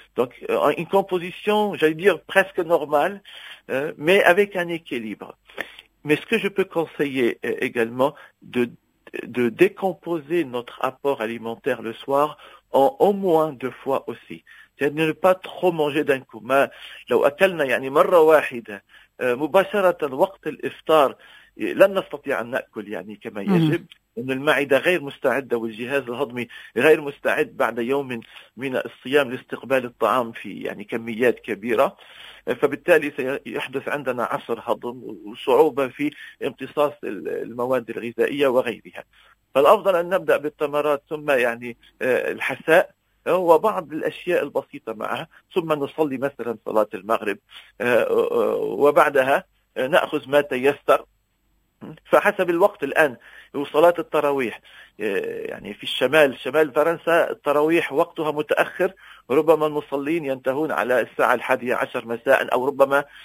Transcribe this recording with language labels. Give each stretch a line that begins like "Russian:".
French: Donc une composition, j'allais dire presque normale, mais avec un équilibre. Mais ce que je peux conseiller également, de décomposer notre apport alimentaire le soir en au moins deux fois aussi. C'est-à-dire ne pas trop manger d'un coup. Mais
Arabic: لو أكلنا يعني مرة واحدة مباشرة وقت الإفطار لن نستطيع أن نأكل يعني كما يجب. إن المعدة غير مستعدة والجهاز الهضمي غير مستعد بعد يوم من الصيام لاستقبال الطعام في يعني كميات كبيرة. فبالتالي سيحدث عندنا عسر هضم وصعوبة في امتصاص المواد الغذائية وغيرها. فالأفضل أن نبدأ بالتمرات ثم يعني الحساء وبعض الأشياء البسيطة معها ثم نصلي مثلا صلاة المغرب وبعدها نأخذ ما تيسر فحسب الوقت الآن وصلاة التراويح يعني في شمال فرنسا التراويح وقتها متأخر ربما المصلين ينتهون على الساعة 11 مساء أو ربما